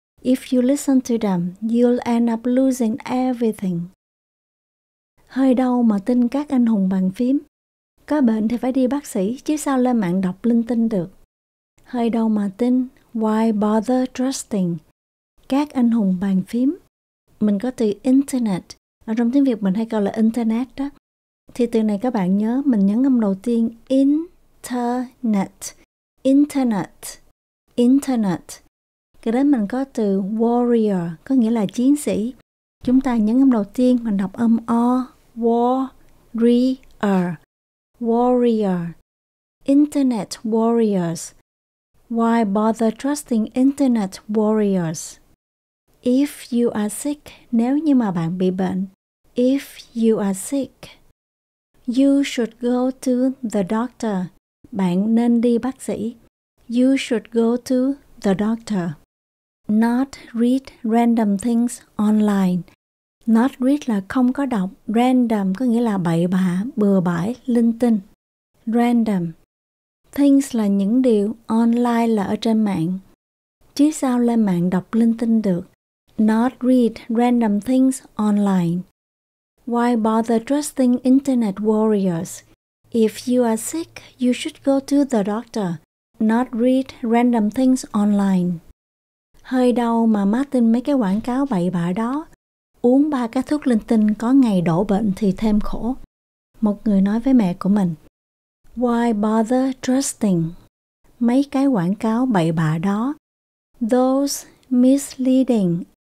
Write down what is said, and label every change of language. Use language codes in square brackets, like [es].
[en] If you listen to them, you'll end up losing everything. [vi] Hơi đau mà tin các anh hùng bàn phím. Có bệnh thì phải đi bác sĩ, chứ sao lên mạng đọc linh tinh được. Hơi đau mà tin. [en] Why bother trusting? [vi] Các anh hùng bàn phím. Mình có từ Internet. Ở trong tiếng Việt mình hay gọi là Internet đó. Thì từ này các bạn nhớ mình nhấn âm đầu tiên Internet. Internet. Internet. Cái đó mình có từ Warrior, có nghĩa là chiến sĩ. Chúng ta nhấn âm đầu tiên mình đọc âm O. [en] Warrior. Warrior. Internet Warriors. Why bother trusting Internet Warriors? If you are sick, [vi] nếu như mà bạn bị bệnh. [en] If you are sick, you should go to the doctor. [vi] Bạn nên đi bác sĩ. [en] You should go to the doctor. Not read random things online. Not read [vi] là không có đọc. Random có nghĩa là bậy bạ, bừa bãi, linh tinh. Random. Things là những điều. Online là ở trên mạng. Chứ sao lên mạng đọc linh tinh được? [en] not read random things online? Why bother trusting internet warriors? If you are sick, you should go to the doctor, not read random things online. [vi] Hơi đau mà má tin mấy cái quảng cáo bậy bạ đó. Uống ba cái thuốc linh tinh có ngày đổ bệnh thì thêm khổ. Một người nói với mẹ của mình. [en] Why bother trusting? [vi] Mấy cái quảng cáo bậy bạ đó. [en] Those misleading.